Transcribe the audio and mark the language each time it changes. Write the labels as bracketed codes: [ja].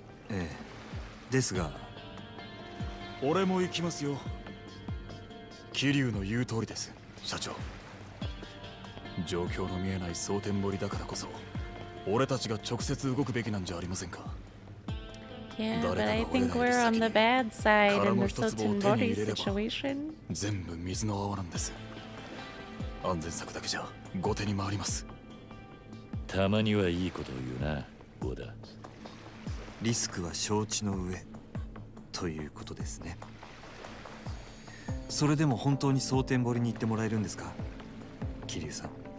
[ja] ええ、ですが俺も行きますよ。キリュウの言う通りです、社長。状況の見えない蒼天堀だからこそ俺たちが直接動くべきなんじゃありませんか。 [en] Yeah, but I think we're on the bad side in the Sotenbori situation. [ja] 全部水の泡なんです。安全策だけじゃ後手に回ります。たまにはいいことを言うな、オダ。リスクは承知の上ということですね。それでも本当に Sotenbori に行ってもらえるんですか、キリュウさん。